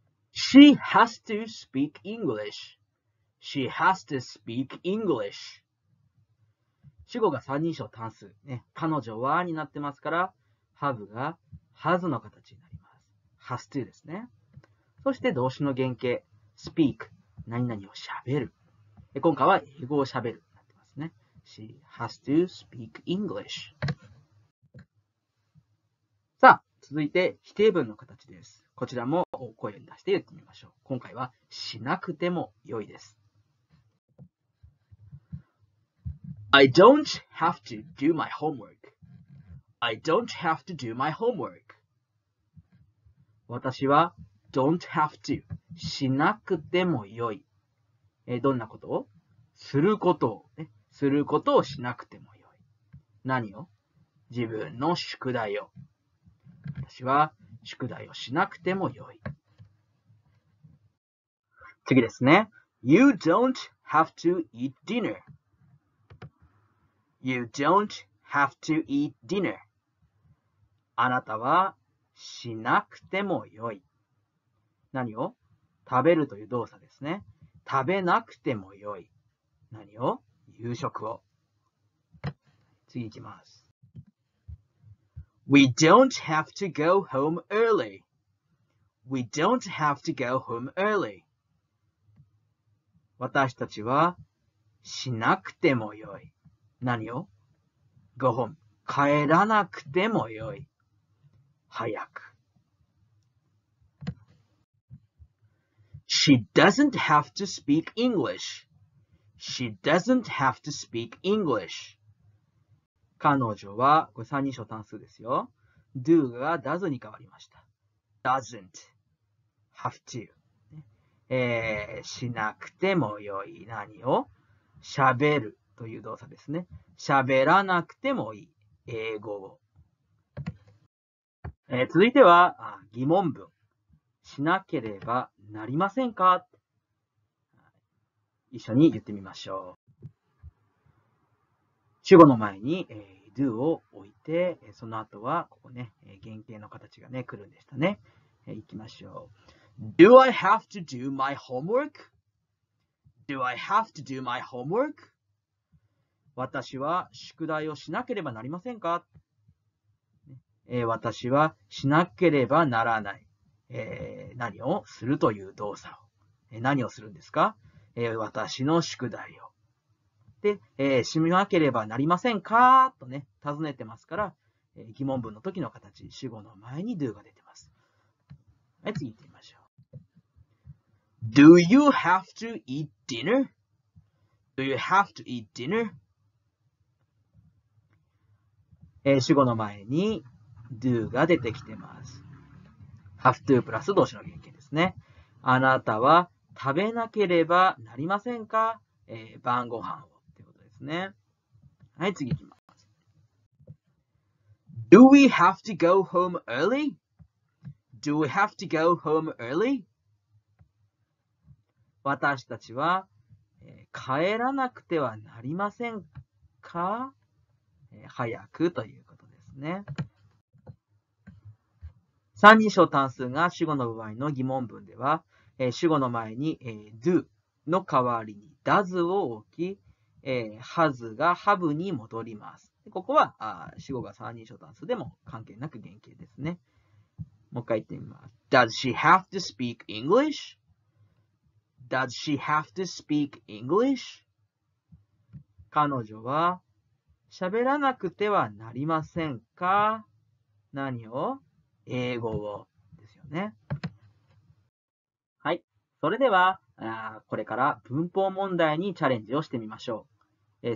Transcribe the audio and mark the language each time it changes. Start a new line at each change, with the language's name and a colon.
English: She has to speak English. She has to speak English.
Japanese: 主語が三人称単数、ね、彼女はになってますから、have が has の形になります。 has to ですね。そして動詞の原型、speak、何々を喋る。今回は英語を喋るになってますね。
English: She has to speak English.
Japanese: さあ、続いて否定文の形です。こちらも声に出して言ってみましょう。今回はしなくても良いです。
English: I don't have to do my homework. I don't have to do my homework.
Japanese: 私は don't have to しなくても良い。どんなことを？することを、ね、することをしなくても良い。何を？自分の宿題を。私は宿題をしなくても良い。次ですね。
English: You don't have to eat dinner. You don't have to eat dinner.
Japanese: あなたはしなくても良い。何を？食べるという動作ですね。食べなくても良い。何を？夕食を。次行きます。
English: We don't have to go home early. We don't have to go home early.
Japanese: 私たちはしなくてもよい。何を？Go home. 帰らなくてもよい。早く。
English: She doesn't have to speak English. She doesn't have to speak English.
Japanese: 彼女は、これ三人称単数ですよ。do が does に変わりました。 doesn't have to、しなくてもよい。何を？喋るという動作ですね。喋らなくてもいい。英語を。続いては疑問文。しなければなりませんか？一緒に言ってみましょう。主語の前に、do を置いて、その後はここね、原型の形がね、来るんでしたね。行きましょう。
English: Do I have to do my homework? Do I have to do my homework?
Japanese: 私は宿題をしなければなりませんか？私はしなければならない。何をするという動作を。何をするんですか？私の宿題を。で、しなければなりませんかとね、尋ねてますから、疑問文の時の形、主語の前に do が出てます。はい、次行ってみましょう。
English: Do you have to eat dinner? Do you have to eat dinner?
Japanese: 主語の前に do が出てきてます。 have to プラス動詞の原型ですね。あなたは食べなければなりませんか、晩ご飯を。ね、はい、次行きます。
English: Do we have to go home early? Do we have to go home early?
Japanese: 私たちは、帰らなくてはなりませんか、早くということですね。三人称単数が主語の場合の疑問文では、主語の前に、do の代わりに does を置き、has が have に戻ります。ここは、主語が三人称単数でも関係なく原型ですね。もう一回言ってみます。
English: Does she have to speak English? Does she have to speak English?
Japanese: 彼女は喋らなくてはなりませんか？何を？英語を。ですよね。はい。それでは、これから文法問題にチャレンジをしてみましょう。